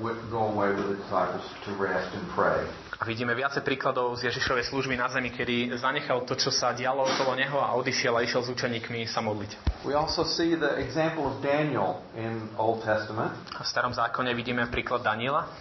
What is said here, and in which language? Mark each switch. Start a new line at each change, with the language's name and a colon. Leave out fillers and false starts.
English: go away with the disciples to rest and pray.
Slovak: A vidíme viacej príkladov z Ježišovej služby na zemi, kedy zanechal to, čo sa dialo okolo neho a odišiel a išiel s učeníkmi sa modliť.
English: We also see the example of Daniel in Old Testament.
Slovak: V starom zákone vidíme príklad Daniela.